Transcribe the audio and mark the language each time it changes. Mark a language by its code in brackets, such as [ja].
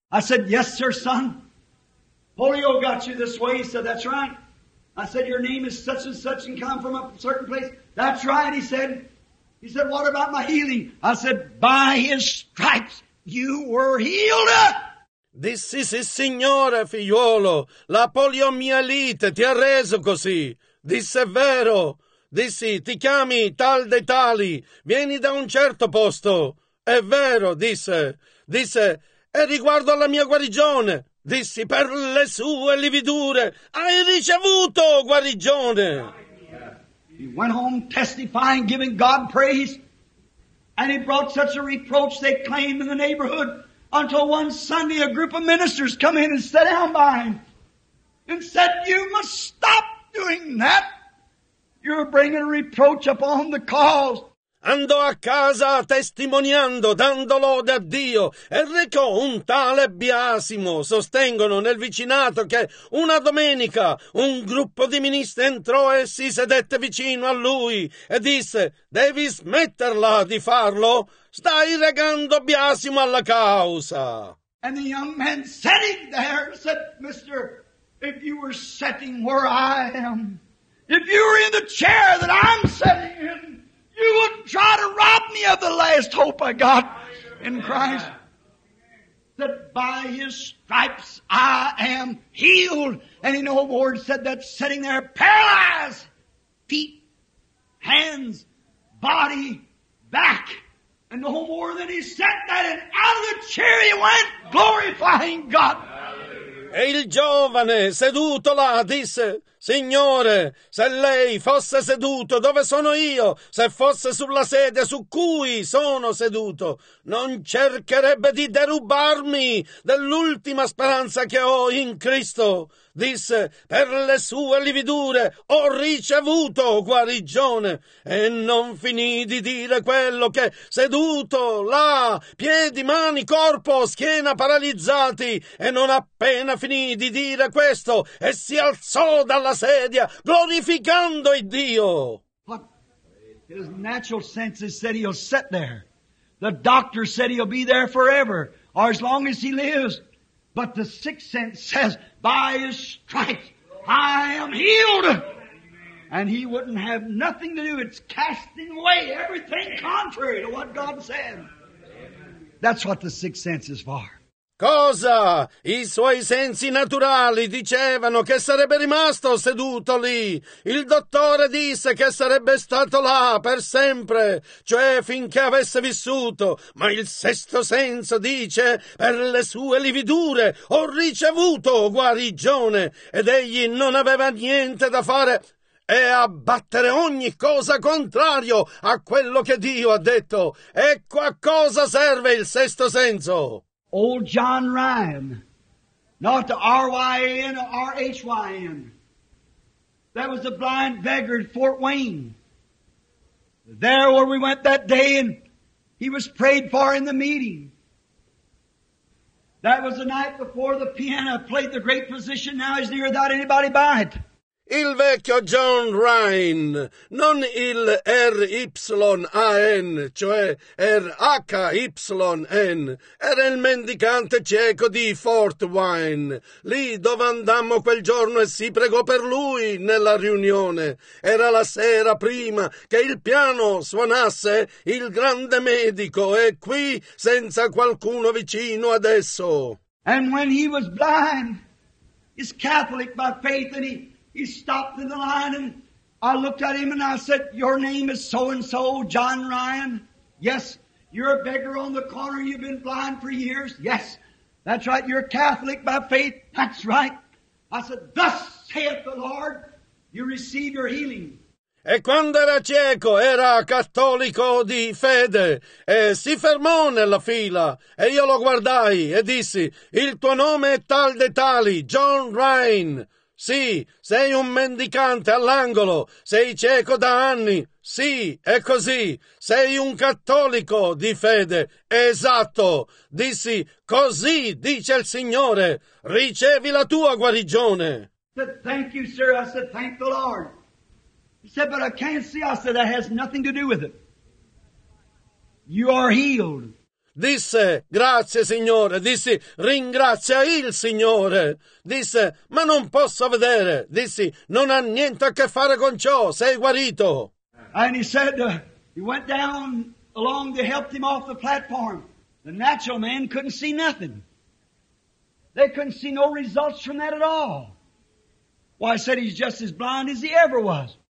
[en] I said, yes, sir, son. Polio got you this way. He said, that's right. I said, your name is such and such and come from a certain place. That's right, he said. He said, what about my healing? I said, by his stripes you were healed. This is his [it] signore, figliolo. La poliomielite ti ha reso così. Disse vero. Dissi, ti chiami tal de tali, vieni da un certo posto. È vero, disse. Disse, e riguardo alla mia guarigione. Dissi, per le sue lividure, hai ricevuto guarigione. [en] He went home testifying, giving God praise, and he brought such a reproach they claimed in the neighborhood, until one Sunday a group of ministers come in and sat down by him and said, you must stop doing that. You're bringing reproach upon the cause. [it] Andò a casa testimoniando, dando lode a Dio, e recò un tale biasimo. Sostengono nel vicinato che una domenica un gruppo di ministri entrò e si sedette vicino a lui e disse, devi smetterla di farlo, stai regando biasimo alla causa. [en] And the young man sitting there said, mister, if you were sitting where I am, if you were in the chair that I'm sitting in, you wouldn't try to rob me of the last hope I got in Christ. That by his stripes I am healed. And he no more said that sitting there paralyzed. Feet, hands, body, back. And no more than he said that, and out of the chair he went glorifying God. [it] E il giovane seduto là disse, Signore, se lei fosse seduto, dove sono io? Se fosse sulla sedia su cui sono seduto, non cercherebbe di derubarmi dell'ultima speranza che ho in Cristo. Disse, per le sue lividure ho ricevuto guarigione. E non finì di dire quello che, seduto là, piedi, mani, corpo, schiena paralizzati, e non appena finì di dire questo, e si alzò dalla sedia, glorificando il Dio. [en] But his natural senses said he'll sit there. The doctor said he'll be there forever, or as long as he lives. But the sixth sense says, by his stripes I am healed. And he wouldn't have nothing to do. It's casting away everything contrary to what God said. That's what the sixth sense is for. [it] Cosa? I suoi sensi naturali dicevano che sarebbe rimasto seduto lì. Il dottore disse che sarebbe stato là per sempre, cioè finché avesse vissuto. Ma il sesto senso dice, per le sue lividure ho ricevuto guarigione. Ed egli non aveva niente da fare e abbattere ogni cosa contrario a quello che Dio ha detto. Ecco a cosa serve il sesto senso. [en] Old John Ryan, not the R-Y-A-N or R-H-Y-N. That was a blind beggar at Fort Wayne. There where we went that day, and he was prayed for in the meeting. That was the night before the piano played the great position. Now he's near without anybody by it. [it] Il vecchio John Ryan, non il R-Y-A-N, cioè R-H-Y-N, era il mendicante cieco di Fort Wayne, lì dove andammo quel giorno e si pregò per lui nella riunione. Era la sera prima che il piano suonasse il grande medico, e qui senza qualcuno vicino adesso. [en] And when he was blind, he's Catholic by faith, and he stopped in the line, and I looked at him and I said, your name is so-and-so, John Ryan. Yes, you're a beggar on the corner. You've been blind for years. Yes, that's right. You're Catholic by faith. That's right. I said, thus saith the Lord, you receive your healing. [it] E quando era cieco, era cattolico di fede, e si fermò nella fila, e io lo guardai e dissi, il tuo nome è tal de tali, John Ryan. Sì, sei un mendicante all'angolo, sei cieco da anni, sì, è così, sei un cattolico di fede, esatto, dissi, così dice il Signore, ricevi la tua guarigione. [en] I said, thank you, sir, I said, thank the Lord. He said, but I can't see, I said, that has nothing to do with it. You are healed. [it] disse, grazie Signore, dissi, ringrazia il Signore, disse, ma non posso vedere, dissi, non ha niente a che fare con ciò, sei guarito. [en] And he said, he went down along, they helped him off the platform. The natural man couldn't see nothing. They couldn't see no results from that at all. Why, well, said he's just as blind as he ever was.